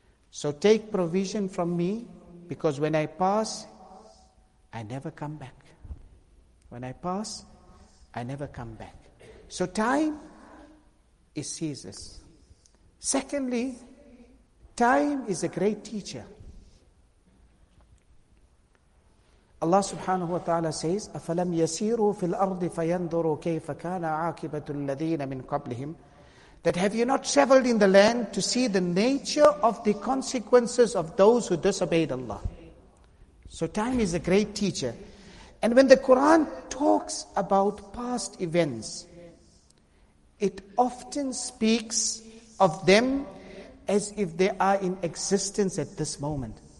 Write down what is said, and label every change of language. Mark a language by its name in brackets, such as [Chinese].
[English] So take provision from me, because when I pass, I never come back. When I pass, I never come back. So time is ceaseless. Secondly, time is a great teacher. [Arabic] Allah subhanahu wa ta'ala says, أَفَلَمْ يَسِيرُوا فِي الْأَرْضِ فَيَنْظُرُوا كَيْفَ كَانَ عَاكِبَةُ الَّذِينَ مِنْ قَبْلِهِمْ. [English] That have you not traveled in the land to see the nature of the consequences of those who disobeyed Allah? So time is a great teacher. And when the Quran talks about past events, it often speaks of them as if they are in existence at this moment.